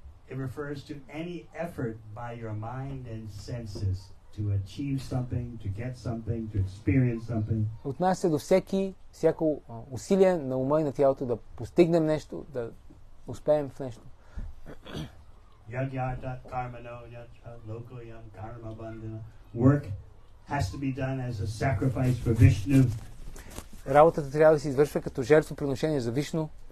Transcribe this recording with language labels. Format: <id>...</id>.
<en>It refers to any effort by your mind and senses to achieve something, to get something, to experience something.</en> <bg>Отнася се до всяко усилие на ума и на тялото да постигнем нещо, да успеем в нещо.</bg> <sa>Yagyata karmano yatra lokoyam karma bandhana.</sa> <en>Work has to be done as a sacrifice for Vishnu.</en> <bg>Работата трябва да се извършва като жертвоприношение за Вишну.</bg>